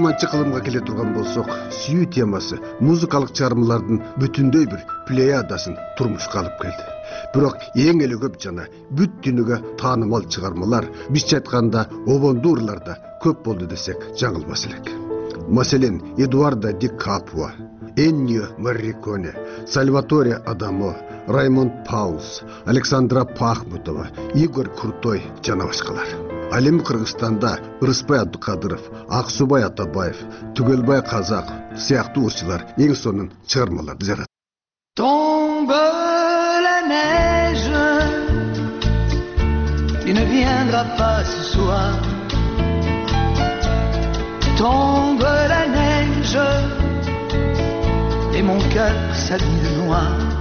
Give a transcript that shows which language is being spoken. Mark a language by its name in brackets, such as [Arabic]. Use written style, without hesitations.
[Kyrgyz] Кылымга келе турган болсок, сүйүү темасы музыкалык чыгармалардын бүтүндөй бир плеядасын турмушка алып келди. Бирок эң эле көп жана бүт дүйнөгө таанымал чыгармалар бизче айтканда обондуу ырларда көп болду десек жаңылбас элек. Маселен, Эдуардо ди Капуа, Эннио Моррикони, Сальваторе Адамо, Раймонд Паулс, Александра Пахмутова, Игорь Крутой жана башкалар. Ал эми Кыргызстанда Ырысбай Абдыкадыров, Аксубай Атабаев, Түгөлбай Казак сыяктуу ырчылар эң сонун чыгармаларды жаратты. [French] Tombe la neige, il ne viendra pas ce soir. Tombe la neige, et mon cœur s'habille noir.